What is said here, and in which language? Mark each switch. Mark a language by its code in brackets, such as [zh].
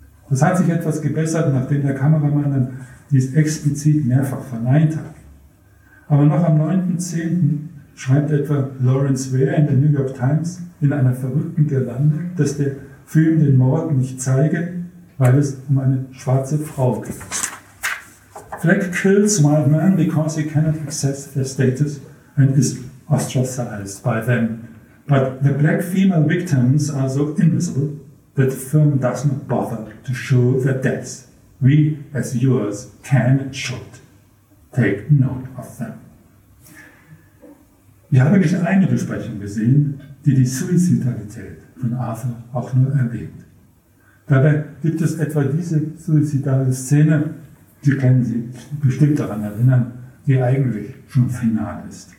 [de] Das hat sich etwas gebessert, nachdem der Kameramann dies explizit mehrfach verneint hat. Aber noch am 9.10. schreibt etwa Lawrence Ware in der New York Times in einer verrückten Girlande, dass der Film den Mord nicht zeige, weil es um eine schwarze Frau geht. [en] Fleck kills wild man because he cannot access their status and is ostracized by them. But the black female victims are so invisible that the film does not bother to show their deaths. We, as viewers, can and should take note of them. [de] Ich habe nicht eine Besprechung gesehen, die Suizidalität von Arthur auch nur erwähnt. Dabei gibt es etwa diese suizidale Szene, Sie können sich bestimmt daran erinnern, die eigentlich schon final ist.